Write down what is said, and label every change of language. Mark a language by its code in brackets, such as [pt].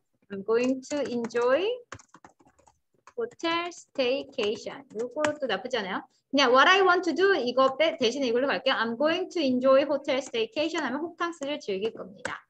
[en] I'm going to enjoy hotel staycation. [ko] 이것도 나쁘지 않아요. 그냥 what I want to do 이거 대신에 이걸로 갈게요. [en] I'm going to enjoy hotel staycation [ko] 하면 호캉스를 즐길 겁니다.